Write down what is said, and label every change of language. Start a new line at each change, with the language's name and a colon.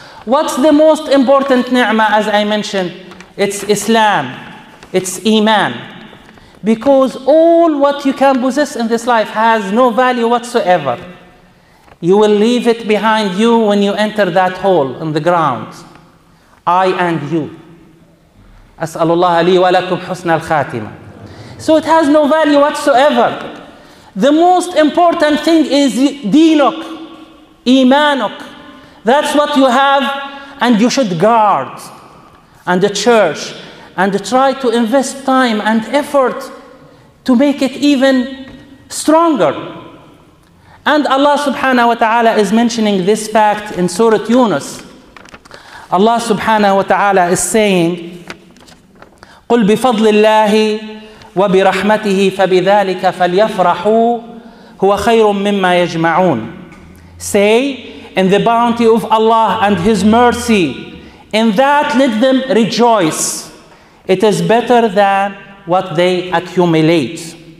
English: What's the most important ni'mah as I mentioned? It's Islam. It's Iman. Because all what you can possess in this life has no value whatsoever. You will leave it behind you when you enter that hole in the ground. I and you.
Arabic: أسأل الله لي ولكم حسن الخاتمة.
English: So it has no value whatsoever. The most important thing is dinuk, imanuk. That's what you have and you should guard. And the church. And try to invest time and effort to make it even stronger. And Allah subhanahu wa ta'ala is mentioning this fact in Surah Yunus. Allah subhanahu wa ta'ala is saying,
Arabic: قُلْ بِفَضْلِ اللَّهِ وبرحمته فبذلك فليفرحوا هو خير مما يجمعون.
English: Say, in the bounty of Allah and His mercy, in that let them rejoice. It is better than what they accumulate.